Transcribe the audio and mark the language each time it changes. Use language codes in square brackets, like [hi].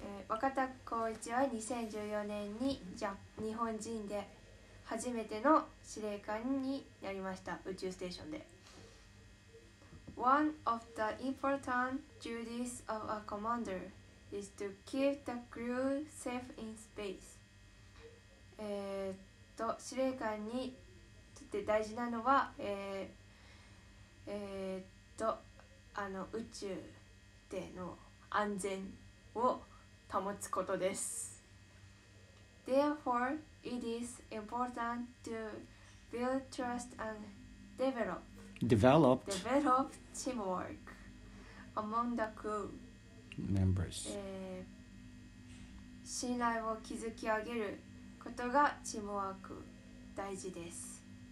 [ja] Wakata Koichi は2014年に日本人で初めての司令官になりました。宇宙ステーションで。 [en] One of the important duties of a commander is to keep the crew safe in space. [ja] 司令官にとって大事なのは、宇宙での安全を保つことです。 [en] Therefore, it is important to build trust and develop teamwork among the crew members. [ja] 信頼を築き上げることがチームワーク大事です。